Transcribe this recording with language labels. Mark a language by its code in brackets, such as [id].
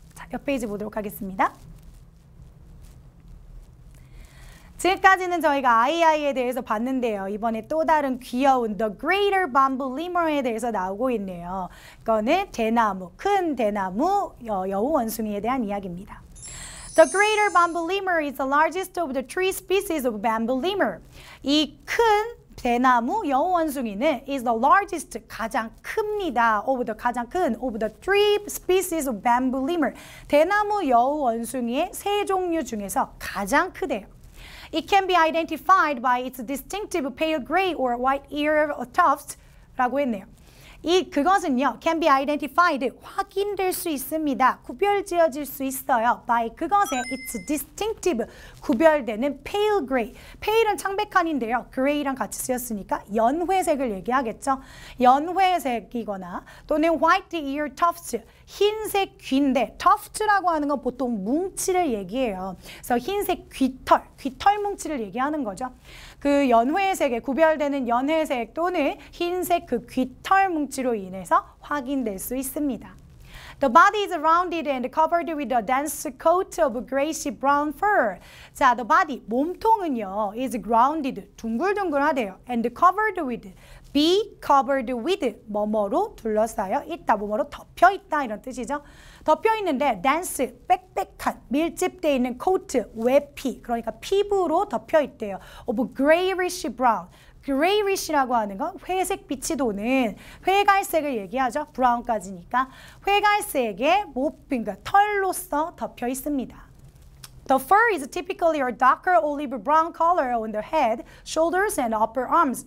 [ko] 몇 페이지 보도록 하겠습니다. 지금까지는 저희가 아이아이에 대해서 봤는데요. 이번에 또 다른 귀여운 The Greater Bamboo Lemur에 대해서 나오고 있네요. 이거는 대나무, 큰 대나무 여우 원숭이에 대한 이야기입니다. [en] The Greater Bamboo Lemur is the largest of the three species of bamboo lemur. [ko] 이 큰 대나무 여우 원숭이는 [en] is the largest, [ko] 가장 큽니다. [en] of the [ko] 가장 큰 [en] of the three species of bamboo lemur. [ko] 대나무 여우 원숭이의 세 종류 중에서 가장 크대요. [en] It can be identified by its distinctive pale gray or white ear tufts [ko] 라고 했네요. 이 그것은요, [en] can be identified, [ko] 확인될 수 있습니다. 구별지어질 수 있어요. By 그것의 [en] its distinctive, [ko] 구별되는 pale gray. pale은 창백한인데요. gray랑 같이 쓰였으니까 연회색을 얘기하겠죠. 연회색이거나 또는 [en] white ear tufts, [ko] 흰색 귀인데 tufts라고 하는 건 보통 뭉치를 얘기해요. 그래서 흰색 귀털, 귀털 뭉치를 얘기하는 거죠. 그 연회색에 구별되는 연회색 또는 흰색 그 귀털 뭉치로 인해서 확인될 수 있습니다. [en] The body is rounded and covered with a dense coat of grayish brown fur. [ko] 자, [en] the body, [ko] 몸통은요, [en] is rounded, [ko] 둥글둥글하대요. [en] And covered with, be covered with, [ko] 뭐뭐로 둘러싸여 있다, 뭐뭐로 덮여 있다, 이런 뜻이죠. 덮여 있는데 dense, 빽빽한, 밀집되어 있는 coat, 외피, 그러니까 피부로 덮여 있대요. [en] Of grayish brown. [ko] Grayish라고 하는 건 회색 빛이 도는 회갈색을 얘기하죠. Brown까지니까 회갈색의 모핑과 털로서 덮여 있습니다. [en] The fur is typically a darker olive brown color on the head, shoulders, and upper arms.